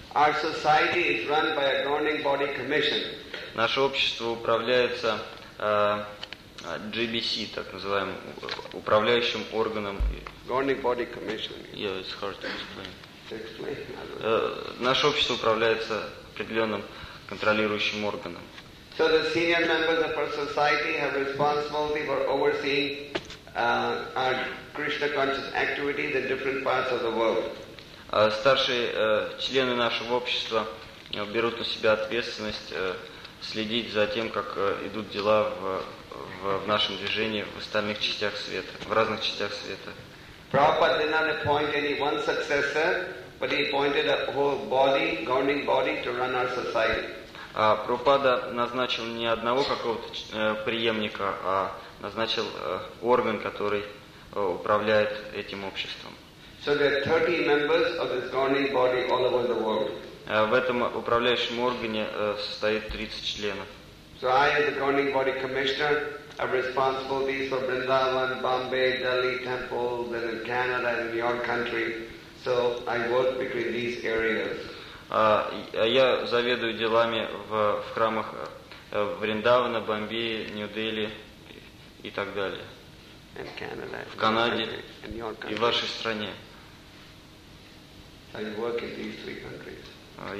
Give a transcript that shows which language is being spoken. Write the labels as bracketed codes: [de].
[en] Our society is run by a governing body commission. [ru] Наше общество управляется GBC, так называемым управляющим органом. [en] Governing body commission. Yeah, it's hard to explain. Explain. [ru] Наше общество управляется определенным контролирующим органом. [en] So the senior members of our society have responsibility for overseeing our Krishna conscious activities in different parts of the world. [ru] Старшие члены нашего общества берут на себя ответственность следить за тем, как идут дела в нашем движении в остальных частях света, в разных частях света. [en] Prabhupada did not appoint any one successor, but he appointed a whole body, governing body, to run our society. [ru] А Прабхупада назначил не одного какого-то преемника, а назначил орган, который управляет этим обществом. [en] So there are 30 members of this governing body all over the world. [ru] В этом управляющем органе состоит 30 членов. [en] So I am the governing body commissioner. I'm responsible these for Vrindavan, Bombay, Delhi temples, and in Canada and in your country. So I work between these areas. [ru] Я заведую делами в храмах Вриндавана, Бомбее, Нью-Дели и так далее. [en] In Canada, [ru] в Канаде [en] in your country. [ru] И в вашей стране. [en] I work in these three countries.